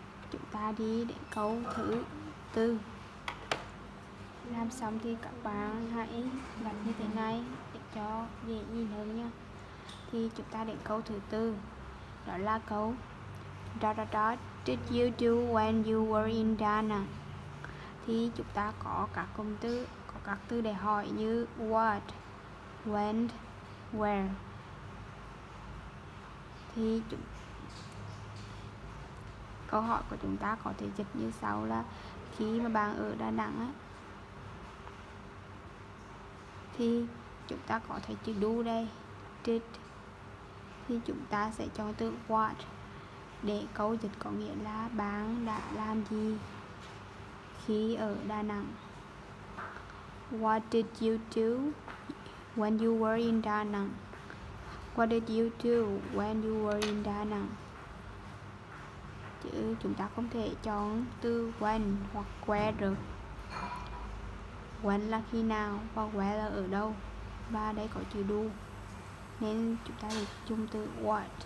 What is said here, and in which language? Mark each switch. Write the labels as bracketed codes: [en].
[vi] Chúng ta đi để câu thứ tư. Làm xong thì các bạn hãy gặp như thế này để cho dễ nhìn hơn nha. Thì chúng ta đến câu thứ tư, đó là câu dot dot dot [en] did you do when you were in Ghana? [vi] Thì chúng ta có các cụm từ, có các từ để hỏi như what, when, where. Thì câu hỏi của chúng ta có thể dịch như sau là khi mà bạn ở Đà Nẵng á, thì chúng ta có thể chữ do đây, did, thì chúng ta sẽ cho từ what để câu dịch có nghĩa là bạn đã làm gì khi ở Đà Nẵng. [en] What did you do when you were in Đà Nẵng? What did you do when you were in Đà Nẵng? [vi] Chứ chúng ta không thể chọn từ when hoặc where được. When là khi nào và where là ở đâu. Và đây có chữ do, nên chúng ta được chung từ what.